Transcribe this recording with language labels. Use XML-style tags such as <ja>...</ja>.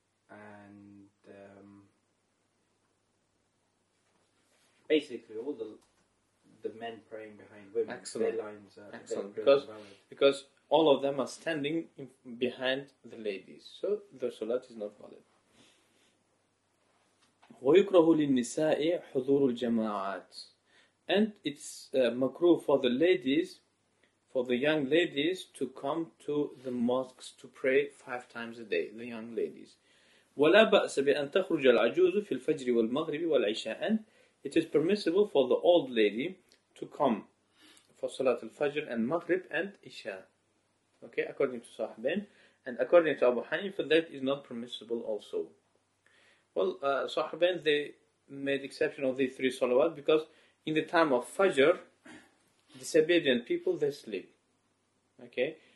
<en>And basically all the men praying behind women, excellent, their lines are excellent, their prayers invalid. Because all of them are standing behind the ladies, so the salat is not valid.</en> <ar>ويكره للنساء حضور الجماعات.</ar> <en>And it's makruh for the ladies, for the young ladies to come to the mosques to pray five times a day, the young ladies.</en> <ar>ولا بأس بأن تخرج العجوز في الفجر والمغرب والعشاء.</ar> <en>And it is permissible for the old lady to come for Salat al-Fajr and Maghrib and Isha. Okay, according to Sahabin. And according to Abu Hanifa, that is not permissible also. Well, Sahabin, they made exception of these three salawat because in the time of Fajr, disobedient people, they sleep. Okay?</en>